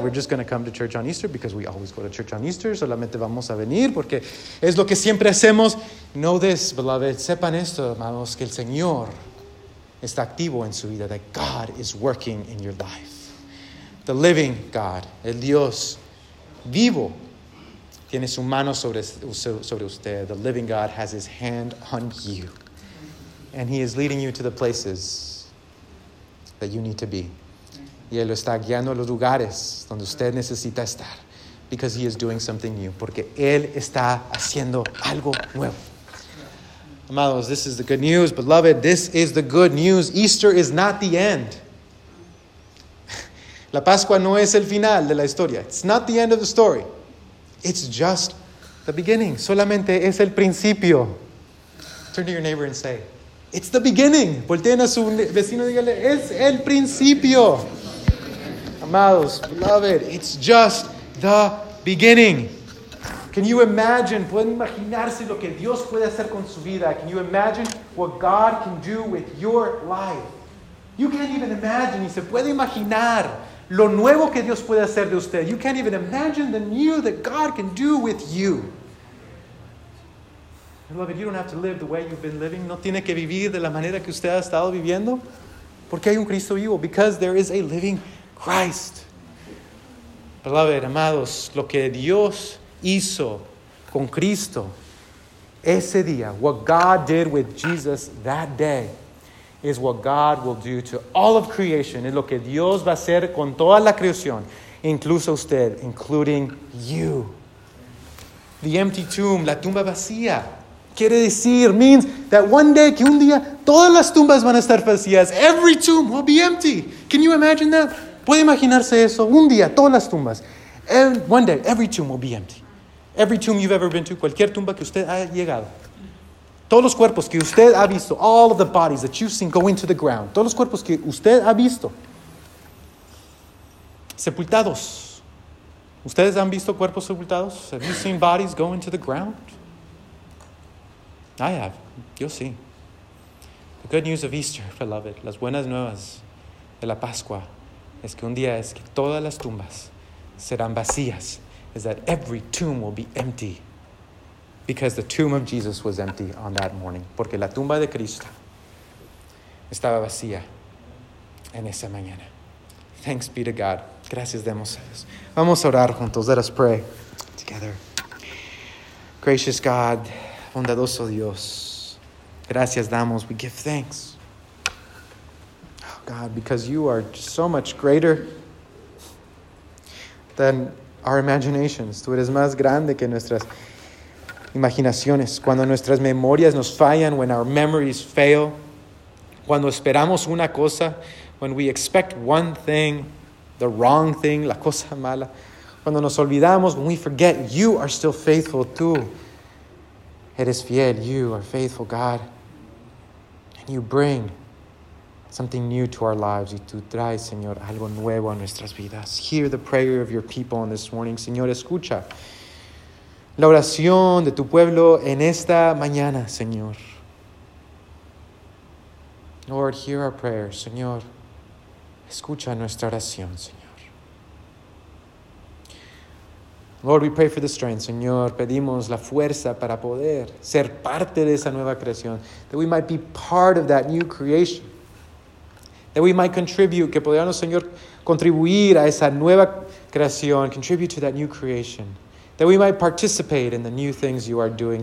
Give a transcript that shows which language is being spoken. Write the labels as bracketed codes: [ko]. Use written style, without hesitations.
[en] We're just going to come to church on Easter because we always go to church on Easter. [es] Solamente vamos a venir porque es lo que siempre hacemos. [en] Know this, beloved. [es] Sepan esto, amados, que el Señor está activo en su vida, [en] that God is working in your life. The living God, [es] el Dios vivo, tiene su mano sobre usted. [en] The living God has his hand on you. And he is leading you to the places that you need to be. [es] Y él lo está guiando a los lugares donde usted necesita estar. [en] Because he is doing something new. [es] Porque él está haciendo algo nuevo. [en] Amados, this is the good news. Beloved, this is the good news. Easter is not the end. [es] La Pascua no es el final de la historia. [en] It's not the end of the story. It's just the beginning. [es] Solamente es el principio. [en] Turn to your neighbor and say, it's the beginning. [es] Volteen a su vecino y dígale, es el principio. [en] Amados, beloved, it's just the beginning. Can you imagine? [es] ¿Pueden imaginarse lo que Dios puede hacer con su vida? [en] Can you imagine what God can do with your life? You can't even imagine. [es] Y se puede imaginar lo nuevo que Dios puede hacer de usted. [en] You can't even imagine the new that God can do with you. Beloved, you don't have to live the way you've been living. [es] No tiene que vivir de la manera que usted ha estado viviendo. Porque hay un Cristo vivo. [en] Because there is a living Christ. Beloved, amados, [es] lo que Dios hizo con Cristo ese día, [en] what God did with Jesus that day, is what God will do to all of creation. [es] Es lo que Dios va a hacer con toda la creación, incluso usted, [en] including you. The empty tomb, [es] la tumba vacía, quiere decir, [en] means that one day, [es] que un día, todas las tumbas van a estar vacías. [en] Every tomb will be empty. Can you imagine that? [es] ¿Puede imaginarse eso? Un día, todas las tumbas. [en] One day, every tomb will be empty. Every tomb you've ever been to, [es] cualquier tumba que usted ha llegado. Todos los cuerpos que usted ha visto, [en] all of the bodies that you've seen go into the ground. [es] Todos los cuerpos que usted ha visto, sepultados. ¿Ustedes han visto cuerpos sepultados? [en] Have you seen bodies go into the ground? I have. [es] Yo sí. [en] The good news of Easter, beloved, [es] las buenas nuevas de la Pascua, es que un día es que todas las tumbas serán vacías. [en] Is that every tomb will be empty because the tomb of Jesus was empty on that morning. [es] Porque la tumba de Cristo estaba vacía en esa mañana. [en] Thanks be to God. [es] Gracias demos a Dios. Vamos a orar juntos. [en] Let us pray together. Gracious God, [es] bondadoso Dios. Gracias damos. [en] We give thanks. Oh God, because you are so much greater than our imaginations. [es] Tú eres más grande que nuestras imaginaciones. Cuando nuestras memorias nos fallan, [en] when our memories fail, [es] cuando esperamos una cosa, [en] when we expect one thing, the wrong thing, [es] la cosa mala, cuando nos olvidamos, [en] when we forget, you are still faithful. [es] Tú eres fiel. [en] You are faithful, God. And you bring something new to our lives. [es] Y tú traes, Señor, algo nuevo a nuestras vidas. [en] Hear the prayer of your people on this morning. [es] Señor, escucha la oración de tu pueblo en esta mañana, Señor. [en] Lord, hear our prayer. [es] Señor, escucha nuestra oración, Señor. [en] Lord, we pray for the strength, [es] Señor. Pedimos la fuerza para poder ser parte de esa nueva creación. [en] That we might be part of that new creation. That we might contribute, [es] que podamos, Señor, contribuir a esa nueva creación, [en] contribute to that new creation. That we might participate in the new things you are doing.